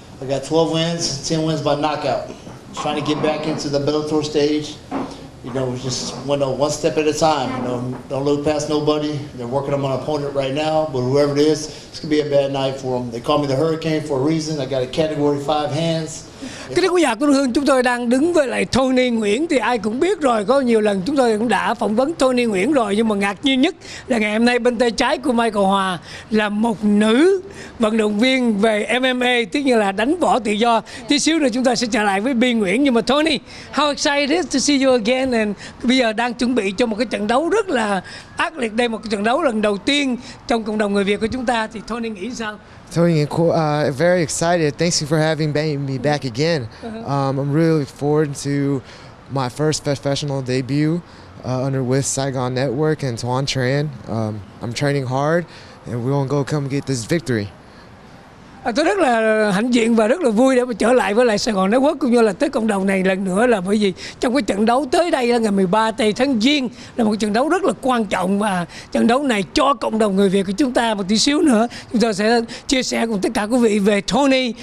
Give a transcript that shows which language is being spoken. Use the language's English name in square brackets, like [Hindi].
[English] I got 12 wins, 10 wins by knockout. I'm trying to get back into the Bellator stage. You know, just one step at a time. You know, don't look past nobody. They're working on my opponent right now, but whoever it is, it's gonna be a bad night for them. They call me the Hurricane for a reason. I got a Category 5 hands. [Vietnamese] Kính thưa quý giả quân hương, chúng tôi đang đứng với lại Tony Nguyễn. Thì ai cũng biết rồi, có nhiều lần chúng tôi cũng đã phỏng vấn Tony Nguyễn rồi. Nhưng mà ngạc nhiên nhất là ngày hôm nay bên tay trái của Michael Hòa là một nữ vận động viên về MMA, tức như là đánh võ tự do. Tí xíu nữa chúng ta sẽ trở lại với Bi Nguyễn. Nhưng mà [English] Tony, how excited to see you again. And [Vietnamese] bây giờ đang chuẩn bị cho một cái trận đấu rất là ác liệt. Đây một cái trận đấu lần đầu tiên trong cộng đồng người Việt của chúng ta. Thì Tony nghĩ sao? [English] Tony, very excited. Thanks for having me back again. I'm really looking forward to my first professional debut with Saigon Network and Tuan Tran. I'm training hard, and we're gonna go come get this victory. [Vietnamese] Tôi rất là hạnh diện và rất là vui để mà trở lại với lại Sài Gòn Network cũng như là tới cộng đồng này lần nữa, là bởi vì trong cái trận đấu tới đây là ngày 13 tây tháng Giêng là một trận đấu rất là quan trọng, và trận đấu này cho cộng đồng người Việt của chúng ta. Một tí xíu nữa chúng ta sẽ chia sẻ cùng tất cả quý vị về Tony.